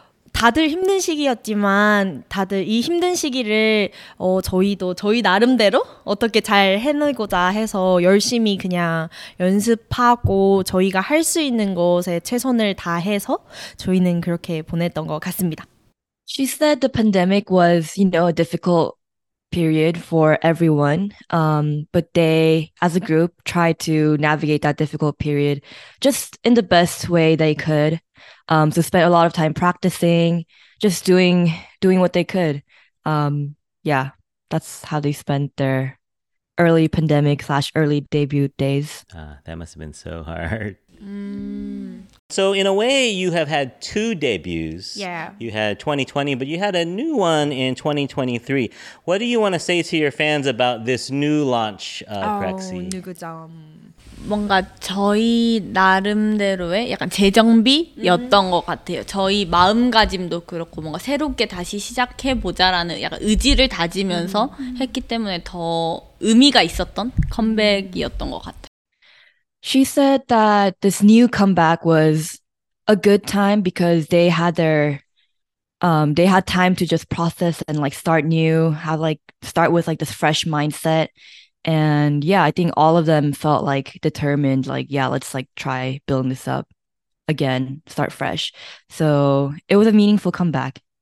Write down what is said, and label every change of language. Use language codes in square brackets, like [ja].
[ko] 다들 힘든 시기였지만 다들 이 힘든 시기를 저희도 저희 나름대로 어떻게 잘 해내고자 해서 열심히 그냥 연습하고 저희가 할 수 있는 것에 최선을 다해서 저희는 그렇게 보냈던 것 같습니다. [en] She said the pandemic was, you know, a difficult period for everyone, but they as a group tried to navigate that difficult period just in the best way they could. So spent a lot of time practicing, just doing what they could. That's how they spent their early pandemic / early debut days. That must have been so hard. So in a way, you have had two debuts. Yeah. You had 2020, but you had a new one in 2023. What do you want to say to your fans about this new launch, Craxy? 누구점. [ko] 뭔가 저희 나름대로의 약간 재정비였던 것 같아요. 저희 마음가짐도 그렇고 뭔가 새롭게 다시 시작해보자라는 약간 의지를 다지면서 했기 때문에 더 의미가 있었던 컴백이었던 것 같아요. [en] She said that this new comeback was a good time because they had time to just process and like start new, have like start with like this fresh mindset. And yeah, I think all of them felt like determined, like, yeah, let's like try building this up again, start fresh. So it was a meaningful comeback.